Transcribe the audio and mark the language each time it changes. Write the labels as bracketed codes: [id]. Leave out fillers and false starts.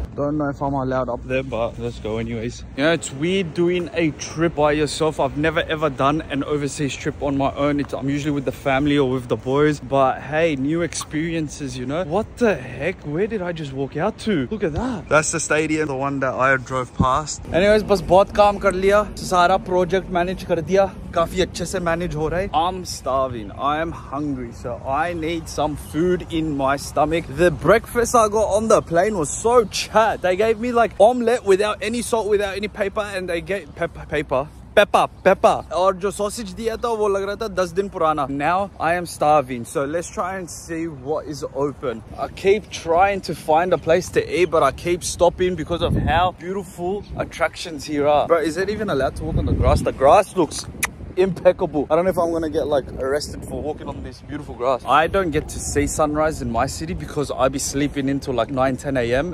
[en] Don't know if I'm allowed up there, but let's go anyways. You know, it's weird doing a trip by yourself. I've never ever done an overseas trip on my own. I'm usually with the family or with the boys, but hey, new experiences, you know? What the heck? Where did I just walk out to? Look at that. That's the stadium, the one that I drove past. [hi] Anyways, बस बहुत काम कर लिया. सारा project manage कर दिया. काफी अच्छे से manage हो रहे. [en] I'm starving. I am hungry, so I need some food in my stomach. The breakfast I got on the plane was so challenging. They gave me like omelette without any salt, without any paper, and they gave pepper. [hi] और जो sausage दिया था वो लग रहा था 10 दिन पुराना. [en] Now I am starving, so let's try and see what is open. I keep trying to find a place to eat, but I keep stopping because of how beautiful attractions here are. Bro, is it even allowed to walk on the grass? The grass looks impeccable. I don't know if I'm gonna get like arrested for walking on this beautiful grass. I don't get to see sunrise in my city because I'd be sleeping until like 9-10 a.m.